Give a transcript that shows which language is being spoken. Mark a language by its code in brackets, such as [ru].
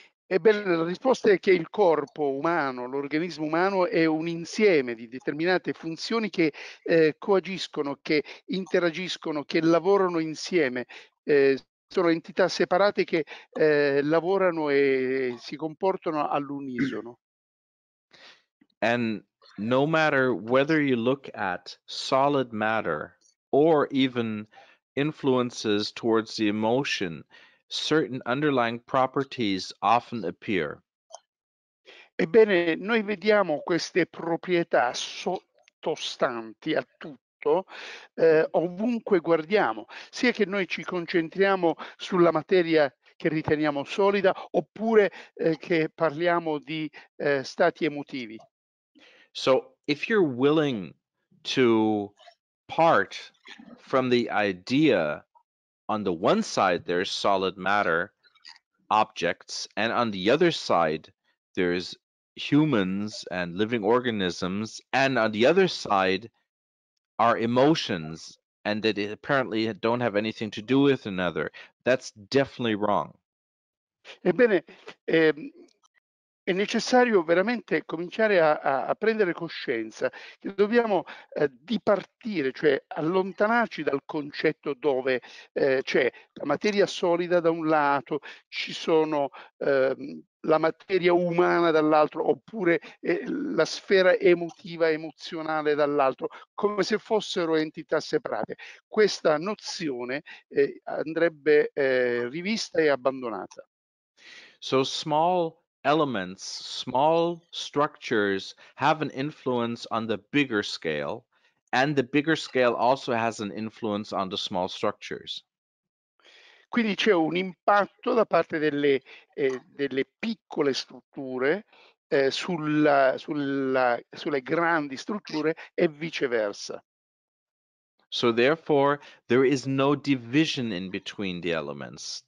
[it] Ebbene, la risposta è che il corpo umano, l'organismo umano, è un insieme di determinate funzioni che coagiscono, che interagiscono, che lavorano insieme. Sono entità separate che lavorano e si comportano all'unisono. [en] And no matter whether you look at solid matter or even influences towards the emotion, certain underlying properties often appear. [it] Ebbene, noi vediamo queste proprietà sottostanti a tutto, ovunque guardiamo, sia che noi ci concentriamo sulla materia che riteniamo solida, oppure che parliamo di stati emotivi. [en] So, if you're willing to part from the idea on the one side there's solid matter, objects, and on the other side there's humans and living organisms, and on the other side are emotions, and that it apparently don't have anything to do with another. That's definitely wrong. [it] Ebbene, è necessario veramente cominciare a prendere coscienza che dobbiamo dipartire, cioè allontanarci dal concetto dove c'è la materia solida da un lato, ci sono la materia umana dall'altro, oppure la sfera emotiva, emozionale dall'altro, come se fossero entità separate. Questa nozione andrebbe rivista e abbandonata. [en] So small elements, small structures have an influence on the bigger scale, and the bigger scale also has an influence on the small structures. [it] Quindi c'è un impatto da parte delle piccole strutture sulle grandi strutture e viceversa. [en] So therefore, there is no division in between the elements.